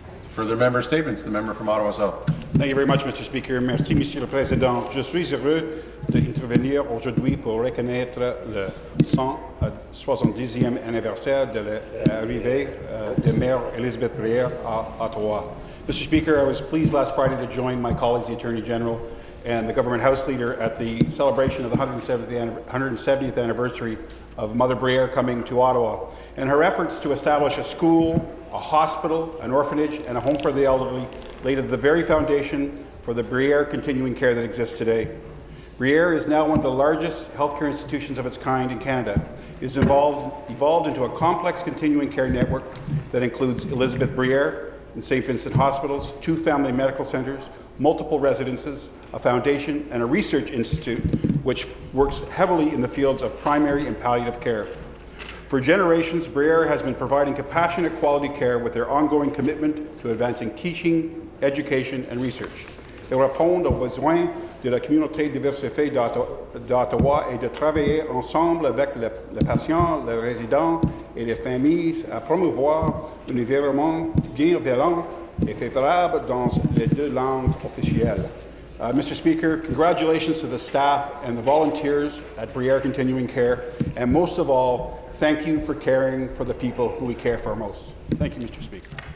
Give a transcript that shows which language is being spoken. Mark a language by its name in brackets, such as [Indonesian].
[English] Further member statements, the member from Ottawa South. Thank you very much, Mr. Speaker. [French] Merci, Monsieur le Président. Je suis heureux d'intervenir aujourd'hui pour reconnaître le 170e anniversaire de l'arrivée de Mère Elizabeth Bruyere à Ottawa. [English] Mr. Speaker, I was pleased last Friday to join my colleagues, the Attorney General, and the Government House Leader at the celebration of the 170th anniversary of Mother Bruyere coming to Ottawa. And her efforts to establish a school, a hospital, an orphanage, and a home for the elderly laid the very foundation for the Bruyere continuing care that exists today. Bruyere is now one of the largest healthcare institutions of its kind in Canada. It has evolved into a complex continuing care network that includes Elizabeth Bruyere and St. Vincent Hospitals, two family medical centres, multiple residences, a foundation, and a research institute which works heavily in the fields of primary and palliative care. For generations, Bruyere has been providing compassionate quality care with their ongoing commitment to advancing teaching, education, and research. [French] Ils répondent aux besoins de la communauté diversifiée d'Ottawa et de travailler ensemble avec les patients, les résidents et les familles à promouvoir un environnement bienveillant et favorable dans les deux langues officielles. [English] Mr. Speaker, congratulations to the staff and the volunteers at Bruyere Continuing Care, and most of all, thank you for caring for the people who we care for most. Thank you, Mr. Speaker.